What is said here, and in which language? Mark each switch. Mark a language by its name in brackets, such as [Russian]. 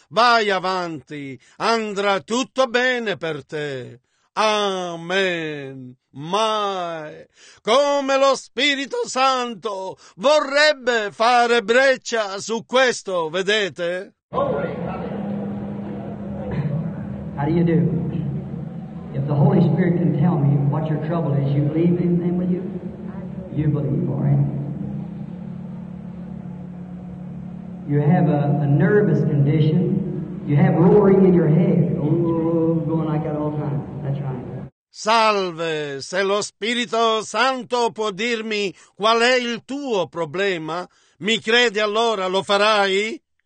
[Italian] Vai avanti, andrà tutto bene per te. Amen. Mai. Come lo Spirito Santo vorrebbe fare breccia su questo, vedete? [English] How do you do? If the Holy Spirit can tell me what your trouble is, you believe in Him, will you? You believe for Him. You have a nervous condition. You have roaring in your head. Going like that all the time. That's right. [Italian] Salve, se lo Spirito Santo può dirmi qual è il tuo problema, mi credi allora, lo farai?